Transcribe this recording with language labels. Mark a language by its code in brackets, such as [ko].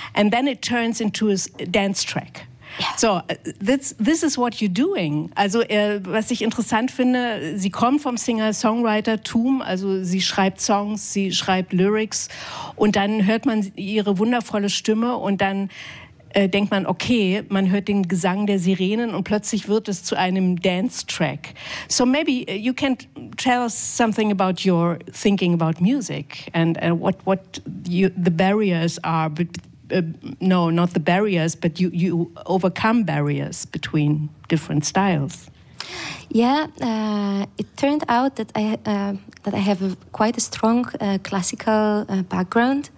[en] And then it turns into a dance track. Yeah. So, this is what you're doing. [de] Also, was ich interessant finde, sie kommt vom Singer-Songwriter-Tum, also sie schreibt Songs, sie schreibt Lyrics und dann hört man ihre wundervolle Stimme und dann denkt man, okay, man hört den Gesang der Sirenen und plötzlich wird es zu einem Dance-Track. [en] So maybe you can tell us something about your thinking about music and the barriers are. Not the barriers, but you overcome barriers between different styles. Yeah, it turned out that I have quite a strong classical background.